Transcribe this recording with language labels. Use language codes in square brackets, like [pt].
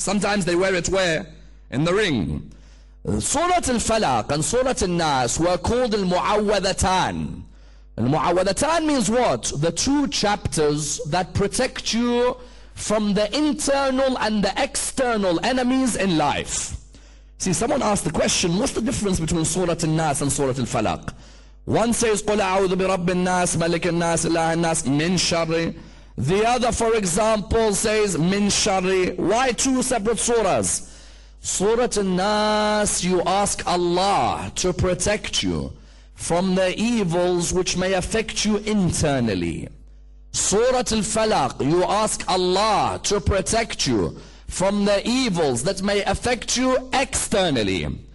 [en] Sometimes they wear it where? In the ring. Surah Al-Falaq and Surah Al-Nas were called Al-Mu'awwadhatan. Al-Mu'awwadhatan means what? The two chapters that protect you from the internal and the external enemies in life. See, someone asked the question, what's the difference between Surah Al-Nas and Surah Al-Falaq? One says, [ar] قُلْ أَعُوذُ بِرَبِّ النَّاسِ مَلِكِ النَّاسِ إِلَهِ النَّاسِ مِنْ شَرِّ. [en] The other, for example, says, [ar] مِنْ شَرِّ. [en] Why two separate surahs? Surah Al-Nas, you ask Allah to protect you from the evils which may affect you internally. Surah Al-Falaq, you ask Allah to protect you from the evils that may affect you externally.